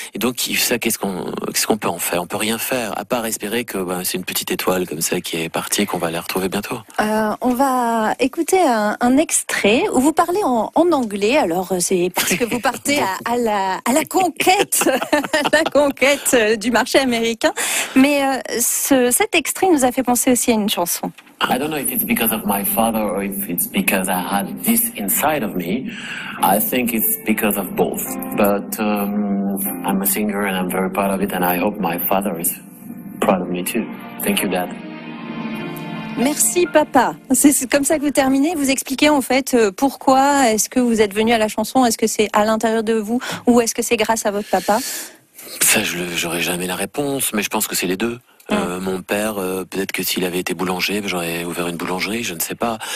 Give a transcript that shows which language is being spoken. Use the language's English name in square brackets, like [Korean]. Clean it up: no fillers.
[French] Et donc, ça, qu'est-ce qu'on peut en faire ? On peut rien faire, à part espérer que c'est une petite étoile comme ça qui est partie et qu'on va la retrouver bientôt. On va écouter un extrait où vous parlez en anglais. Alors, c'est parce que vous partez à la conquête, la conquête du marché américain. Mais cet extrait nous a fait penser aussi à une chanson. [English] I don't know if it's because of my father or if it's because I had this inside of me. I think it's because of both. But I'm a singer and I'm very proud of it and I hope my father is proud of me too. Thank you, Dad. [French] Merci, papa. C'est comme ça que vous terminez. Vous expliquez en fait pourquoi est-ce que vous êtes venu à la chanson. Est-ce que c'est à l'intérieur de vous ou est-ce que c'est grâce à votre papa? Ça, je n'aurai jamais la réponse, mais je pense que c'est les deux. Mon père, peut-être que s'il avait été boulanger, j'aurais ouvert une boulangerie, je ne sais pas.